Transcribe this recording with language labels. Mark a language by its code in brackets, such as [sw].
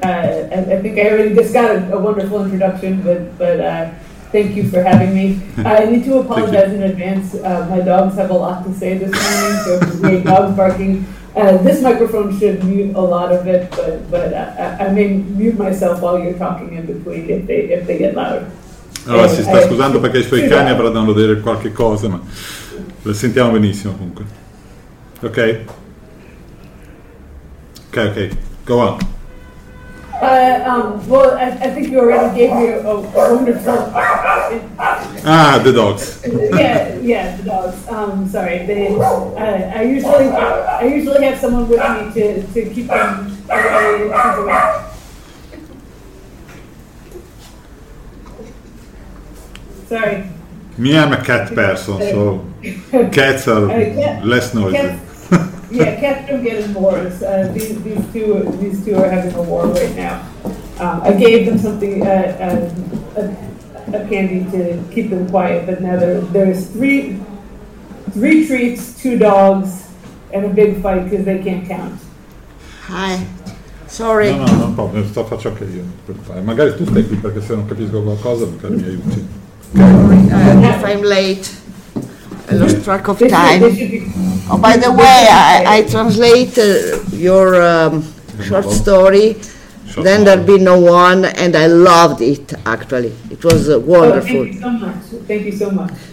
[en] I think I already just got a wonderful introduction, but thank you for having me. I need to apologize in advance. My dogs have a lot to say this morning, so if you hear dogs barking, this microphone should mute a lot of it, but I may mute myself while you're talking in between if they get loud. [it] Allora si sta scusando perché i suoi cani avranno da dire qualche cosa, ma lo sentiamo benissimo comunque. [en] Ok? Ok, go on. I think you already gave me a wonderful... Ah, the dogs. yeah, the dogs. Sorry, I usually have someone with me to keep them away. Sorry. Me, I'm a cat person, so cats are less noisy. Cats, yeah, cats don't get in wars. These two are having a war right now. I gave them something, a candy to keep them quiet, but now there's three treats, two dogs, and a big fight because they can't count. Hi. Sorry. No problem. [it] Sto faccio anche io. Magari tu stai qui perché se non capisco qualcosa mi aiuti. [en] If I'm late, I lost track of time. Oh, by the way, I translate your short story, Then There'll Be No One, and I loved it, actually. It was wonderful. Oh, thank you so much. Thank you so much.